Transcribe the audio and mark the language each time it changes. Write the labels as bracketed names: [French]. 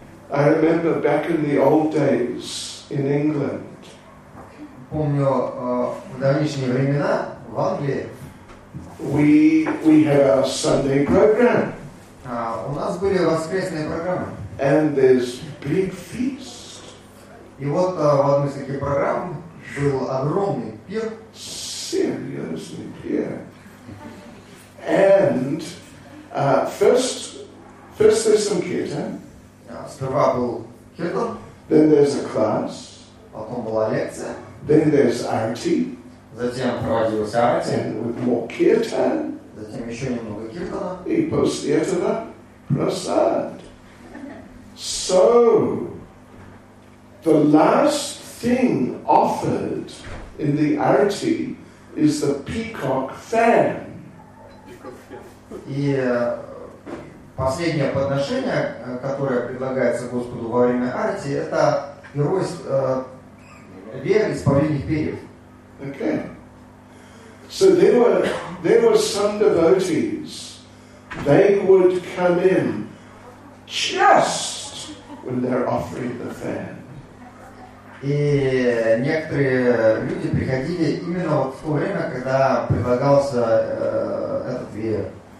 [English] I remember back in the old days in England. [Russian] Помню, в давнишние времена в Англии [English] we have our Sunday program. [Russian] У нас были воскресные программы. [English] And there's big feast. [Russian] И вот в одной из таких программ был огромный пир. [English] Seriously, пир. And first there's some kirtan. [Russian] Сперва был киртан. [English] Then there's a class. [Russian] Потом была лекция. [English] Then there's RT. [Russian] Затем проводилась RT. [English] And with more kirtan. [Russian] Затем еще немного kirtana. И после этого prasad. [English] So the last thing offered in the RT is the peacock fan. [Russian] И последнее подношение, которое предлагается Господу во время арти, это герой из павлиньих перьев. [English] Okay. So there were some devotees. They would come in just when they're offering the fan. [Russian] И некоторые люди приходили именно вот в то время, когда предлагался этот веер.